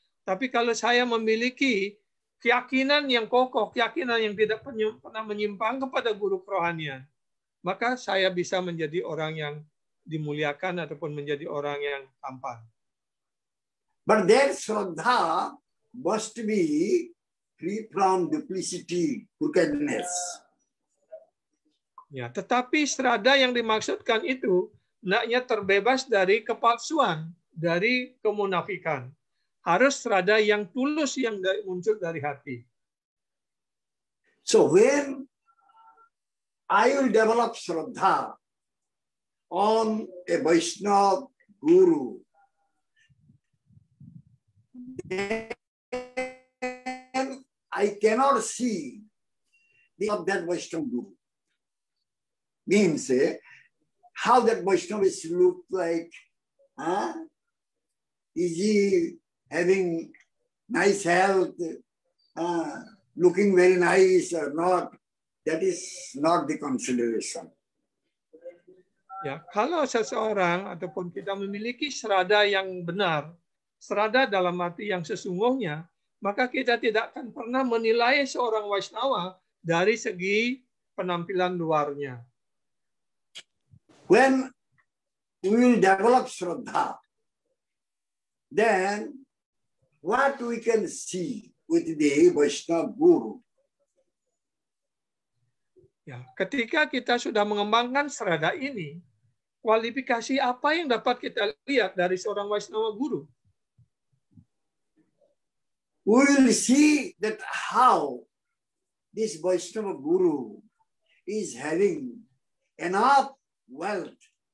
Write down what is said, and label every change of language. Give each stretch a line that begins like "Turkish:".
Indonesian: Tapi kalau saya memiliki keyakinan yang kokoh, keyakinan yang tidak pernah menyimpang kepada guru kerohanian, maka saya bisa menjadi orang yang dimuliakan ataupun menjadi orang yang tampan.
English: But their Shraddha must be free from duplicity, crookedness.
Indonesian: Ya, tetapi Shraddha yang dimaksudkan itu hendaknya terbebas dari kepalsuan, dari kemunafikan. Harus Shraddha yang tulus yang muncul dari hati.
English: So when I will develop Shraddha on a Vaishnava guru, then I cannot see the of that Vaishnava guru. Means how that Vaishnava look like? Is he having nice health? Looking very nice or not? That is not the consideration.
Indonesian: Ya, kalau seseorang ataupun kita memiliki Shraddha yang benar, Shraddha dalam arti yang sesungguhnya, maka kita tidak akan pernah menilai seorang Vaishnava dari segi penampilan luarnya.
English: When we will develop Shraddha, then what we can see with the Vaishnava guru?
Indonesian: Ya, ketika kita sudah mengembangkan Shraddha ini, kualifikasi apa yang dapat kita lihat dari seorang Vaishnava guru?
English: We will see that how this Vaishnava guru is having enough wealth.